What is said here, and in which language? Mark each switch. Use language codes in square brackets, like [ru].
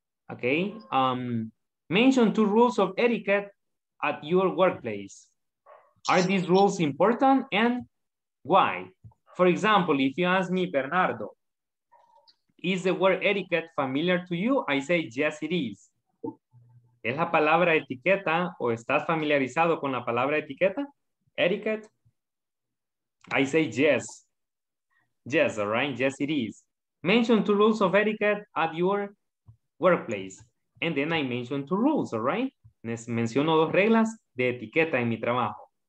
[en] Okay, mention two rules of etiquette at your workplace. Are these rules important and why? For example, if you ask me, Bernardo, is the word etiquette familiar to you? I say, yes, it is. [es] ¿Es la palabra etiqueta o estás familiarizado con la palabra etiqueta? [en] Etiquette? I say, yes. Yes, all right? Yes, it is. Mention two rules of etiquette at your workplace. And then I mention two rules, all right? [es] Menciono dos reglas de etiqueta en mi trabajo.